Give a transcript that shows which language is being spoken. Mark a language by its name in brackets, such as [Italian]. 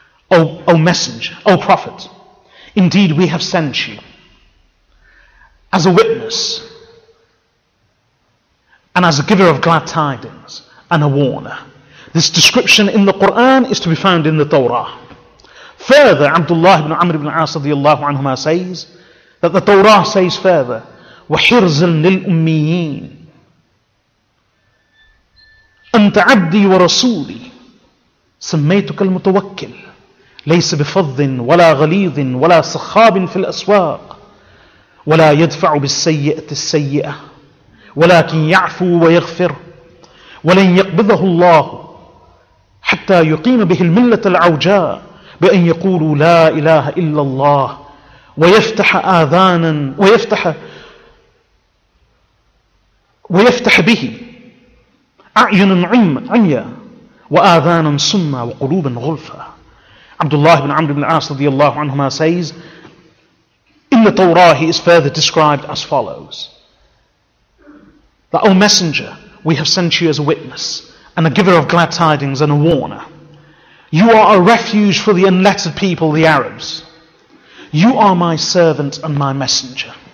[English] O messenger, O prophet, indeed we have sent you as a witness and as a giver of glad tidings and a warner. This description in the Qur'an is to be found in the Torah. Further, Abdullah ibn Amr ibn al-As radiyallahu anhuma says that the Torah says further, [Arabic] وَحِرْزًا لِلْأُمِّيِّينَ أَنْتَ عَبْدِي وَرَسُولِي سَمَّيْتُكَ الْمُتَوَكِّلِ لَيْسَ بِفَضٍّ وَلَا غَلِيظٍ وَلَا سَخَّابٍ فِي الْأَسْوَاقِ وَلَا يَدْفَعُ بِالسَّيِّئَةِ السَّيِّئَةِ وَلَكِنْ يَعْفُو وَيَغْفِرُ وَلَنْ يَقْبِضَهُ اللَّهُ حَتَّى يُقِيمَ بِهِ الْمِلَّةَ الْعَوْجَاءَ بأن يقولوا لا إله إلا الله ويفتح آذانا ويفتح به أعينا عميا وآذانا صما وقلوبا غلفا [English] Abdullah ibn Amr ibn As radiyallahu anhuma says, in the Torah he is further described as follows. That, O Messenger, we have sent you as a witness, and a giver of glad tidings, and a warner. You are a refuge for the unlettered people, the Arabs. You are my servant and my messenger.